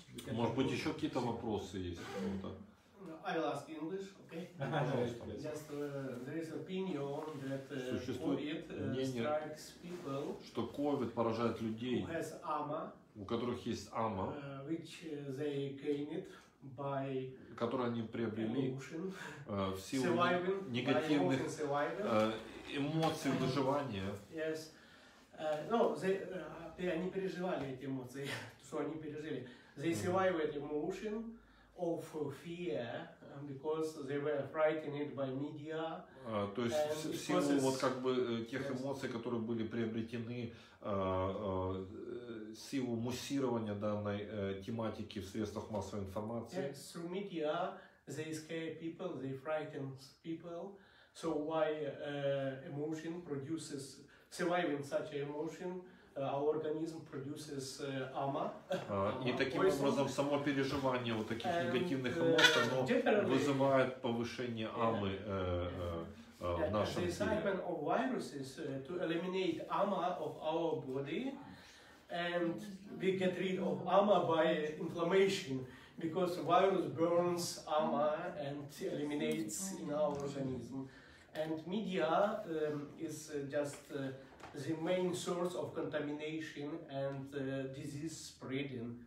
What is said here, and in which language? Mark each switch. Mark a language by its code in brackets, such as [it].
[ru] Может быть, еще какие-то вопросы есть? Кто-то? [en] I will ask English, okay? Just there is opinion that COVID strikes people. [ru] Что COVID поражает людей? [en] Who has ama? [ru] У которых есть ама? [en] Which they gained by? [ru] Которые они приобрели в силу негативных эмоций выживания? [en] Yes. [ru] No, они переживали эти эмоции, что они пережили. [en] They survived emotion of fear because they were frightened by media. [ru] То есть в силу вот как бы тех эмоций, которые были приобретены, силу муссирования данной тематики в средствах массовой информации. [en] Yes, through media they scare people, they frighten people. So why emotion produces surviving such an emotion? Our organism produces ama. [ru] И таким образом само переживание вот таких негативных эмоций, оно вызывает повышение амы в нашем теле. [en] The assignment of viruses to eliminate ama of our body, and we get rid of ama by inflammation, because virus burns ama and eliminates in our organism. And media is just the main source of contamination and disease spreading.